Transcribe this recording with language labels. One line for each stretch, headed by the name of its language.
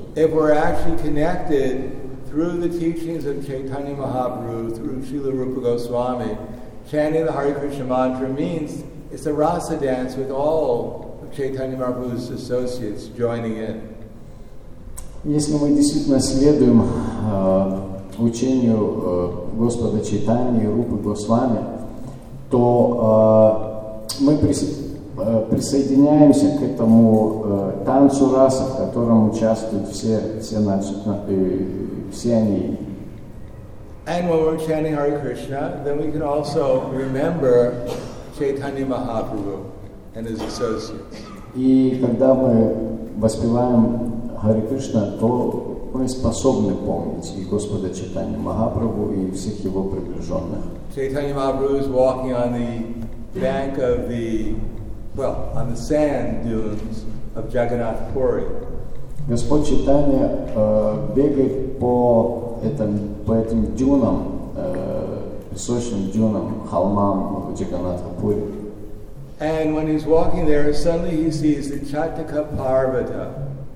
English: If we're actually connected through the teachings of Chaitanya Mahaprabhu, through Srila Rupa Goswami, chanting the Hare Krishna mantra means it's a rasa dance with all of Chaitanya Mahaprabhu's associates joining in.
Russian: Если мы действительно следуем учению Господа Чайтаньи и Рупы Госвами, то мы присоединяемся к этому танцу раса, в котором участвуют все они.
English: And when we're chanting Hare Krishna, then we can also remember Chaitanya Mahaprabhu and his associates.
Russian: И когда мы воспеваем Hare Krishna, то мы способны помнить и Господа Чайтанья Махапрабху, и всех его приближенных.
English: Chaitanya Mahaprabhu is walking on the bank of the, well, on the sand dunes of Jagannath Puri.
Russian: Господь Чайтанья бегает по этим дюнам, песочным дюнам, холмам в Джаганнатха Пури.
English: And when he's walking there, suddenly he sees the Chataka Parvata.